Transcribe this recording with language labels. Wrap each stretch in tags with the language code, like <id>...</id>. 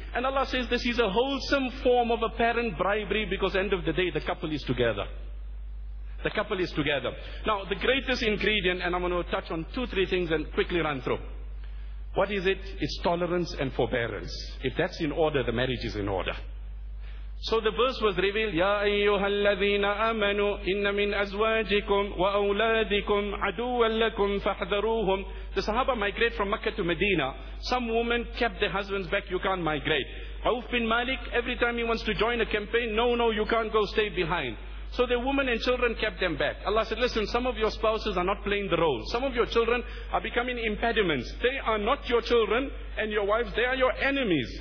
<en>And Allah says this is a wholesome form of apparent bribery, because end of the day, the couple is together. The couple is together. Now, the greatest ingredient, and I'm going to touch on two, three things and quickly run through. What is it? It's tolerance and forbearance. If that's in order, the marriage is in order. So the verse was revealed,</en> <ar>يَا أَيُّهَا الَّذِينَ آمَنُوا إِنَّ مِنْ أَزْوَاجِكُمْ وَأَوْلَادِكُمْ عَدُوًا لَكُمْ فَاحْذَرُوهُمْ.</ar> <en>The Sahaba migrate from Makkah to Medina. Some woman kept their husband's back, you can't migrate. Awf bin Malik, every time he wants to join a campaign, no, you can't go, stay behind. So their woman and children kept them back. Allah said, listen, some of your spouses are not playing the role. Some of your children are becoming impediments. They are not your children and your wives, they are your enemies.</en>